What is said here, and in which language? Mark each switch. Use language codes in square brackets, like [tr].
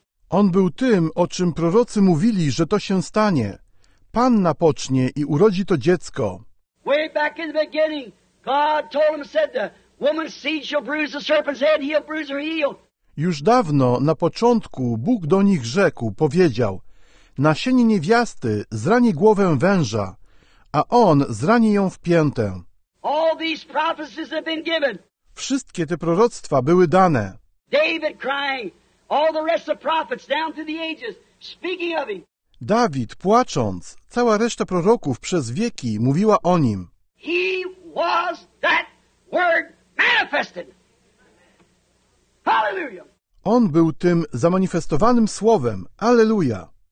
[pl] On był tym, o czym prorocy mówili, że to się stanie. Panna pocznie i urodzi to dziecko. [en] Way back in the beginning, God told him, said, the woman's seed shall bruise the serpent's head, he'll bruise her heel. [pl] Już dawno, na początku, Bóg do nich rzekł, powiedział, nasienie niewiasty zrani głowę węża, a on zrani ją w piętę. [en] All these prophecies have been given. [pl] Wszystkie te proroctwa były dane. [en] David crying, all the rest of prophets down through the ages, speaking of him. [pl] Dawid płacząc, cała reszta proroków przez wieki mówiła o nim. [en] He was that word manifested. Hallelujah. [pl] On był tym zamanifestowanym słowem. Alleluja!